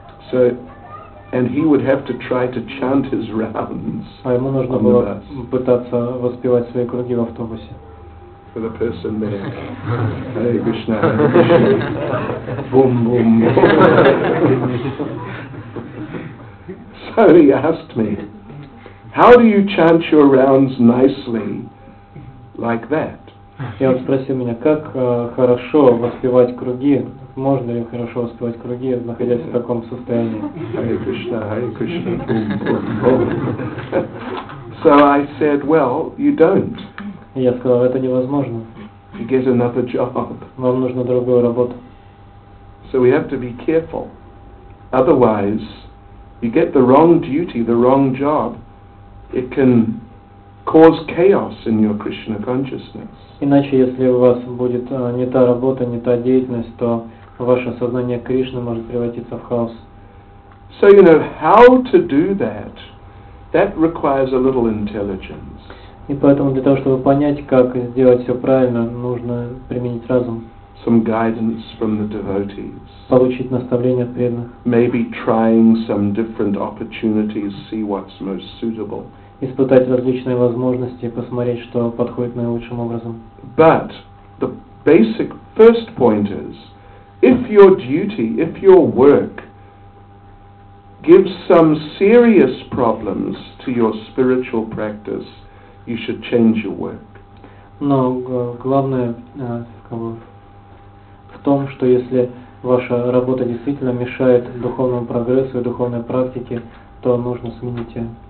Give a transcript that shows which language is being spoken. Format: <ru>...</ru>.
<en>So, and he would have to try to chant his rounds.</en> <ru>А ему нужно было пытаться воспевать свои круги в автобусе.</ru> <en>For the person there. Hare Krishna, Hare Krishna. Boom, boom, boom. So he asked me, how do you chant your rounds nicely like that?</en> <ru>И он спросил меня, как хорошо воспевать круги, можно ли хорошо воспевать круги, находясь в таком состоянии. Hare Krishna, Hare Krishna, boom, boom, boom.</ru> <en>So I said, well, you don't.</en> <ru>Я сказал, это невозможно.</ru> <en>Get another job.</en> <ru>Вам нужна другая работа.</ru> <en>So we have to be careful. Otherwise, you get the wrong duty, the wrong job, it can cause chaos in your Krishna consciousness.</en> <ru>Иначе, если у вас будет не та работа, не та деятельность, то ваше сознание Кришны может превратиться в хаос.</ru> <en>So you know how to do that. That requires a little intelligence.</en> <ru>И поэтому для того, чтобы понять, как сделать все правильно, нужно применить разум.</ru> <en>Some guidance from the devotees.</en> <ru>Получить наставление от преданных.</ru> <en>Maybe trying some different opportunities, see what's most suitable.</en> <ru>Испытать различные возможности, посмотреть, что подходит наилучшим образом.</ru> <en>But the basic first point is, if your duty, if your work gives some serious problems to your spiritual practice, you should change your work.</en> <ru>Но главное в том, что если ваша работа действительно мешает духовному прогрессу и духовной практике, то нужно сменить ее.</ru>